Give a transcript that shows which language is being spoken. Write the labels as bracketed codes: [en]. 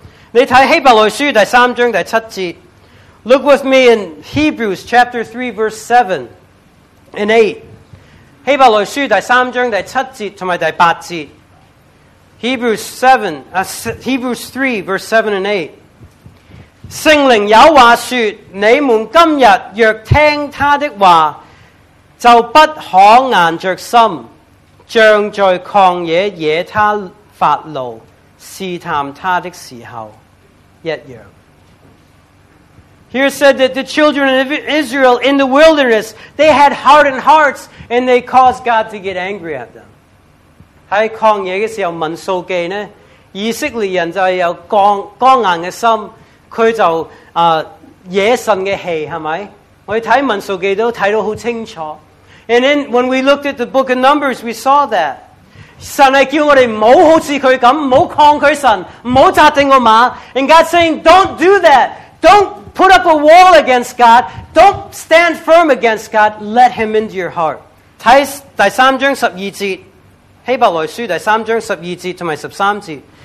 [zh] 你看希伯来书第三章第七节。 [en] Look with me in Hebrews chapter 3 verse 7 and 8. [zh] 希伯来书第三章第七节和第八节。 [en] Hebrews 3, verse 7 and 8. [zh] 圣灵有话说，你们今日若听他的话，就不可硬着心，像在旷野惹他发怒，试探他的时候一样。 [en] Here said that the children of Israel in the wilderness, they had hardened hearts and they caused God to get angry at them. [zh] 在旷野的时候问数据呢，以色列人就有刚硬的心，他就惹神的气，是吗？我们看文数据都看得很清楚。 [en] And then when we looked at the book of Numbers, we saw that. [zh] 神是叫我们不要好像他这样，不要抗拒神，不要扎定我马。 [en] And God's saying, don't do that. Don't put up a wall against God. Don't stand firm against God. Let him into your heart. [zh] 看第三章十二节，希伯来书第三章十二节和十三节。